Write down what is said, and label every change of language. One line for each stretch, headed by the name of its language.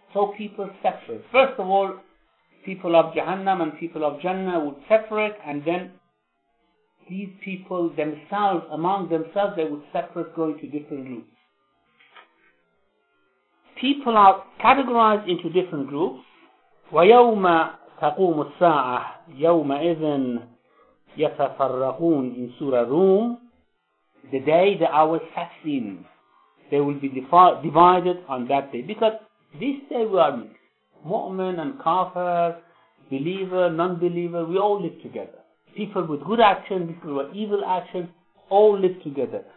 English: So people separate. First of all, people of Jahannam and people of Jannah would separate, and then these people themselves, among themselves, they would separate going to different routes. People are categorized into different groups.
Arabic: وَيَوْمَ تَقُومُ السَّاعَةِ يَوْمَئِذٍ يَتَفَرَّقُونَ
English: in Surah Rum. The day the hour sets in, they will be divided on that day. Because this day we are mixed. Mu'min and kafir, believer, non-believer, we all live together. People with good actions, people with evil actions, all live together.